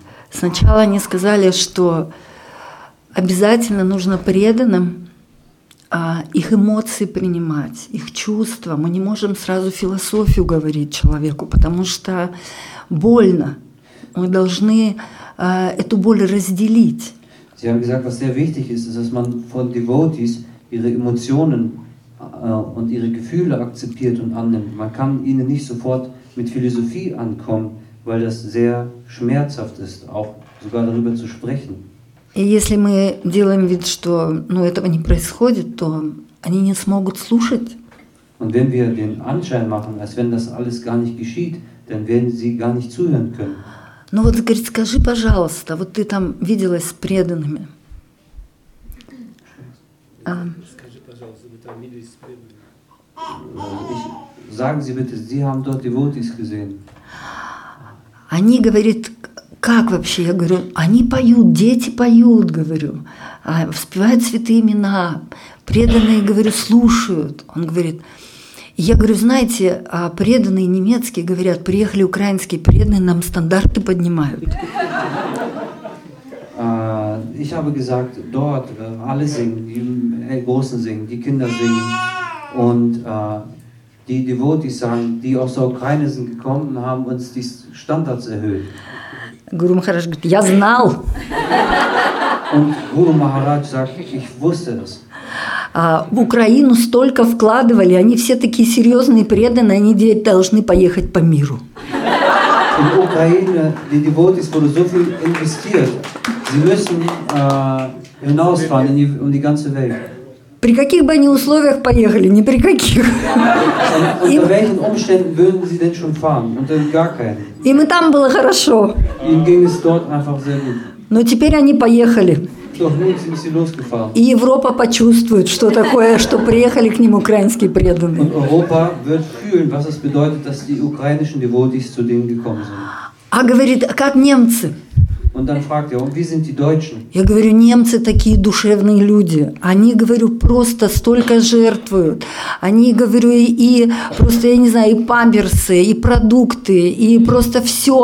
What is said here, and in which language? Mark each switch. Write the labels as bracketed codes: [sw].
[ru] Сначала они сказали, что обязательно нужно преданным их эмоции принимать, их чувства. Мы не можем сразу философию говорить человеку, потому что больно. Мы должны эту боль разделить. [de] Sie haben gesagt, was sehr wichtig ist, ist, dass man von Devotees ihre Emotionen und ihre Gefühle akzeptiert und annimmt. Man kann ihnen nicht sofort mit Philosophie ankommen, weil das sehr schmerzhaft ist, auch sogar darüber zu sprechen. [ru] И если мы делаем вид, что этого не происходит, то они не смогут слушать. [de] Und wenn wir den Anschein machen, als wenn das alles gar nicht geschieht, dann werden sie gar nicht zuhören können. [ru] Ну вот, говорит, скажи, пожалуйста, вот ты там виделась с преданными. Скажи, пожалуйста, вы там виделись с преданными. Они, говорит, как вообще? Я говорю, они поют, дети поют, говорю. Воспевают святые имена. Преданные, говорю, слушают. Он говорит... Я говорю, знаете, преданные немецкие говорят, приехали украинские преданные, нам стандарты поднимают. [de] Ich habe gesagt, dort alle singen, die Großen singen, die Kinder singen. Und die Devotees sagen, die aus der Ukraine sind gekommen, haben uns die Standards erhöht. [ru] Гуру Махарадж говорит, я знал. [de] Und Guru Maharaj sagt, ich wusste das. [ru] В Украину столько вкладывали, они все такие серьезные, преданные, они должны поехать по миру. [de] In Ukraine, die Devotees wurden so viel investiert. Sie müssen hinausfahren in die ganze Welt. [ru] При каких бы они условиях поехали? Ни при каких. [de] Unter welchen Umständen würden sie denn schon fahren? Unter gar keinen. [ru] Им и там было хорошо. Им [de] ging es dort einfach sehr gut. [ru] Но теперь они поехали. [de] Doch, [ru] и Европа почувствует, что такое, что приехали к ним украинские преданные. [de] Europa wird fühlen, was es bedeutet, dass die ukrainischen Devotees zu denen gekommen sind. [ru] А говорит, как немцы? [de] Und dann fragt er, wie sind die Deutschen? [ru] Я говорю, немцы такие душевные люди. Они, говорю, просто столько жертвуют. Они, говорю, и просто, я не знаю, и памперсы, и продукты, и просто все.